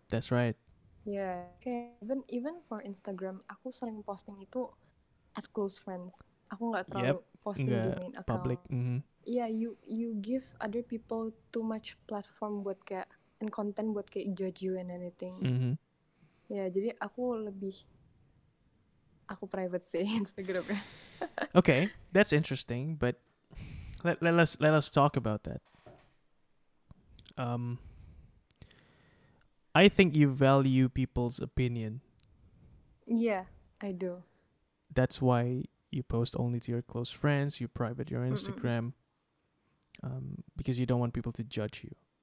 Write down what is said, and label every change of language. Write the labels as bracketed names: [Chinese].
[English] That's right. Yeah. Okay. Even for Instagram, [Indonesian] aku sering posting itu [English] at close friends. [Indonesian] aku nggak terlalu posting di main account. [English] Iya, you give other people too much platform [Indonesian] buat kayak [English] and content buat kayak judge you and anything. Mm-hmm. [Indonesian] Ya, jadi aku lebih aku private sih Instagramnya. [English] Okay, that's interesting, but let us talk about that. I think you value people's opinion. Yeah, I do. That's why you post only to your close friends, you private your Instagram, because you don't want people to judge you.